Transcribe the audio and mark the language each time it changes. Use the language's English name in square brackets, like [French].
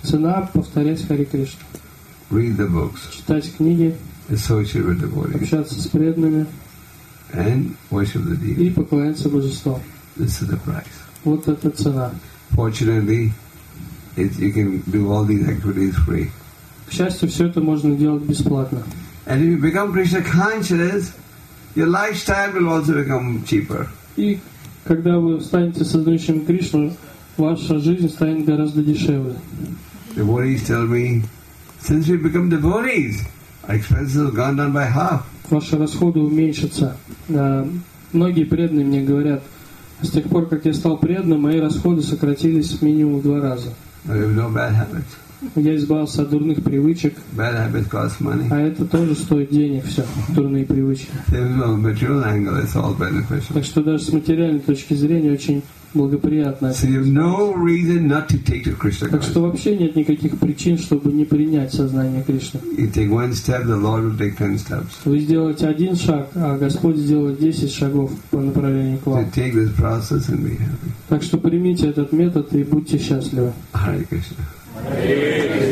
[Russian] Цена повторять Хари Кришну. [English] Read the books. [Russian] Читать книги. [English] Associate with devotees. [Russian] Общаться с преданными. [English] And worship the deity. [Russian] И поклоняться Божеству. [English] This is the price. [Russian] Вот эта цена. [English] Fortunately, you can do all these activities free. [Russian] К счастью, все это можно делать бесплатно. [English] And if you become Krishna conscious, your lifestyle will also become cheaper. [Russian] И когда вы станете сознающим Кришну, ваша жизнь станет гораздо дешевле. [English] Devotees tell me, since we become devotees, our expenses have gone down by half. [Russian] Ваши расходы уменьшатся. Многие преданные мне говорят, с тех пор, как я стал преданным, мои расходы сократились минимум в два раза. [English] I have no bad habits. [Russian] Я избавился от дурных привычек. [English] Bad habits cost money. [Russian] А это тоже стоит денег, все, дурные привычки. [English] From a material angle, it's all beneficial. [Russian] Так что даже с материальной точки зрения очень благоприятно. [English] So you have no reason not to take to Krishna. [Russian] Так что вообще нет никаких причин, чтобы не принять сознание Кришны. [English] You take one step, the Lord will take 10 steps. [Russian] Вы сделаете один шаг, а Господь сделает 10 шагов по направлению к вам. [English] So take this process and be happy. [Russian] Так что примите этот метод и будьте счастливы. [English] Hare Krishna.